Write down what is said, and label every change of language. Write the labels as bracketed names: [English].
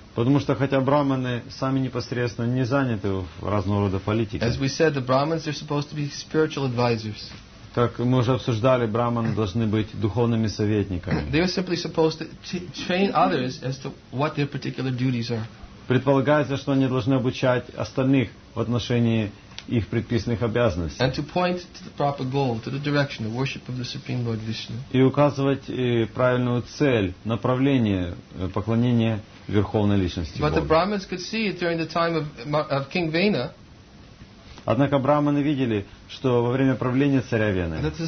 [Russian] Потому что хотя брахманы сами непосредственно не заняты в разного рода политике. [English] As we said, the Brahmins are supposed to be spiritual advisors. [Russian] Как мы уже обсуждали, брахманы должны быть духовными советниками. [English] They are simply supposed to train others as to what their particular duties are. [Russian] Предполагается, что они должны обучать остальных в отношении их предписанных обязанностей. [English] And to point to the proper goal, to the direction, the worship of the Supreme Lord Vishnu. [Russian] И указывать правильную цель, направление поклонения Верховной Личности Бога. [English] But the Brahmins could see it during the time of King Vena. [Russian] Однако брахманы видели, что во время правления царя Вены